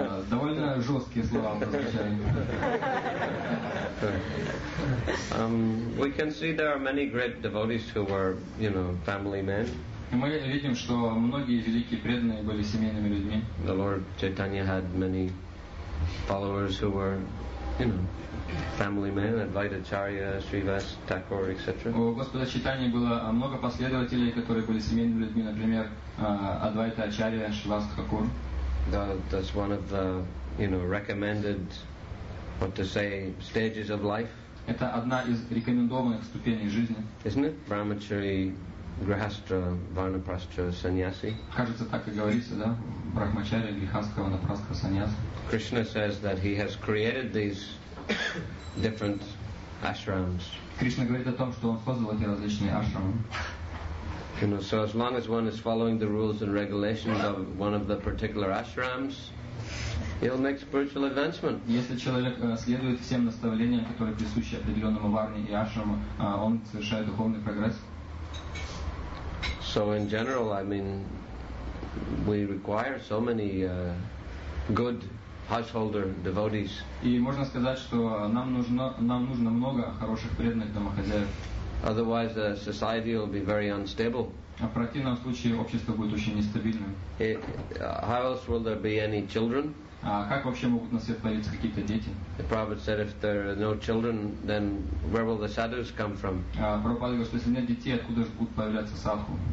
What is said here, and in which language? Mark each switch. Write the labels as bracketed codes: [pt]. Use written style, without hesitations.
[ru] Довольно жесткие слова прозвучали. [en] We can see there are many great devotees who were, you know, family men. [ru] Мы видим, что многие великие преданные были семейными людьми. [en] The Lord Chaitanya had many followers who were, you know, family men, Advaita Acharya, Srivas, Thakur, etc. [ru] У Господа Чайтаньи было много последователей, которые были семейными людьми, например, Адвайта Ачарья, Шривас Такур. [en] That's one of the, you know, recommended, what to say, stages of life. [ru] Это одна из рекомендованных ступеней жизни. [en] Isn't it? Brahmachari, Grihastha, Varnaprastha, Sannyasi. [ru] Кажется, так и говорится, да? Брахмачари, Грихастха, Варнапрастха, Саньяси. [en] Krishna says that he has created these different ashrams. [ru] Кришна говорит о том, что он создал эти различные ашрамы. [en] You know, so as long as one is following the rules and regulations of one of the particular ashrams, he'll make spiritual advancement. [ru] Если человек следует всем наставлениям, которые присущи определенному варне и ашраму, он совершает духовный прогресс. [en] So in general, I mean, we require so many good householder devotees. [ru] И можно сказать, что нам нужно много хороших преданных домохозяев. [en] Otherwise, the society will be very unstable. [ru] А в противном случае общество будет очень нестабильным. [en] How else will there be any children? [ru] А как вообще могут на свет появиться какие-то дети? [en] The Prabhupada said, if there are no children, then where will the sadhus come from? [ru] А Прабхупада говорит, если нет детей, откуда же будут появляться садху?